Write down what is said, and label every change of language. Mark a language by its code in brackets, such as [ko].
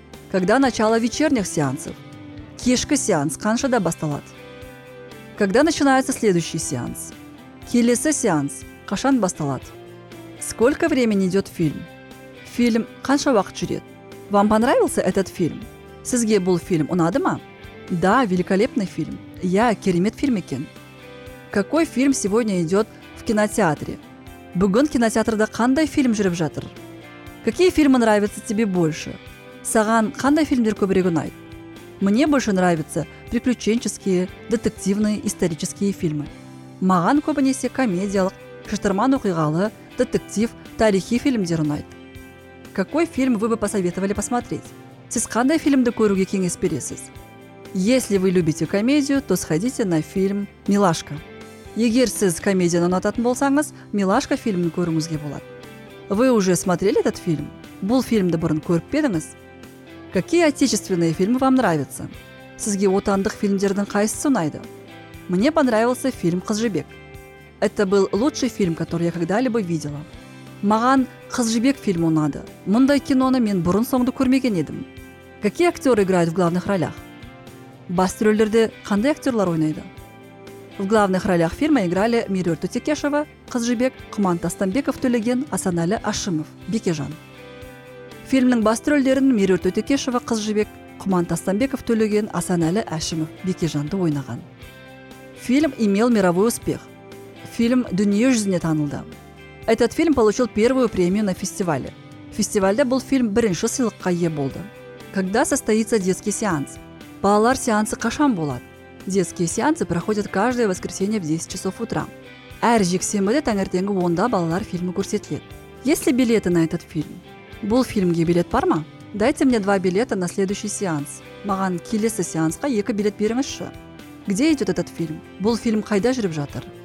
[ru] Когда начало вечерних сеансов? [kk] Кешкі сеанс қаншада басталады? [ru] Когда начинается следующий сеанс? [kk] Келесі сеанс қашан басталады? [ru] Сколько времени идет фильм? [kk] Фильм қанша уақыт жүреді? [ru] Вам понравился этот фильм? [kk] Сізге бұл фильм ұнадыма? [ru] Да, великолепный фильм. [kk] Я керемет фильм екен. [ru] Какой фильм сегодня идет в кинотеатре? [kk] Бүгін кинотеатрда қандай фильм жүріп жатыр? [ru] Какие фильмы нравятся тебе больше? [kk] Саған қандай фильмдер көбірек ұнайды? [ru] Мне больше нравятся приключенческие, детективные, исторические фильмы. [kk] Маған көбінесе комедиялық, шытырман оқиғалы, детектив, тарихи фильмдер ұнайды. [ru] Какой фильм вы бы посоветовали посмотреть? [kk] Сіз қандай фильмді көруге кеңес бересіз? [ru] Если вы любите комедию, то сходите на фильм «Милашка». [kk] Егер сіз комедияны ұнататын болсаңыз, «Милашка» фильмін көріңізге болады. [ru] Вы уже смотрели этот фильм? [kk] Бұл фильмді бұрын көріп бедіңіз? [ru] Какие отечественные фильмы вам нравятся? [kk] Сізге отандық фильмдердің қайсысы ұнайды? [ru] Мне понравился фильм «Қыз Жібек». Это был лучший фильм, который я когда-либо видела. [kk] Маған «Қыз Жібек» фильмі ұнады. Мұндай киноны мен бұрын-соңды көрмеген едім. [ru] Какие актеры играют в главных ролях? [kk] Басты рөлдерде қандай актерлар ойнайды? [ru] В главных ролях фильма играли Мирюр Тутекешева, «Қыз Жібек», Құман Тастанбеков Төлеген, Асанәлі Ашымов, Бекежан. [kk] Фильмнің басты рөлдерін Мирюр Тутекешева, «Қыз Жібек», Құман Тастанбеков Төлеген, Асанәлі Ашымов, Бекежанды ойнаған. [ru] Фильм имел мировой успех. [kk] Фильм дүниежүзіне танылды. [ru] Этот фильм получил первую премию на фестивале. [kk] Фестивальда бұл фильм бірінші сыйлыққа ие болды. [ru] Когда состоится детский сеанс? [kk] Балалар сеансы қашан болады? [ru] Детские сеансы проходят каждое воскресенье в 10 часов утра. [kk] Әр жексенбіде таңертеңгі 10-да балалар фильмы көрсетіледі. [ru] Есть ли билеты на этот фильм? [kk] Бұл фильмге билет бар ма? [ru] Дайте мне 2 билета на следующий сеанс. [kk] Маған келесі сеансқа 2 билет беріңізші. [ru] Где идет этот фильм? [kk] Бұл фильм қайда жүріп жатыр?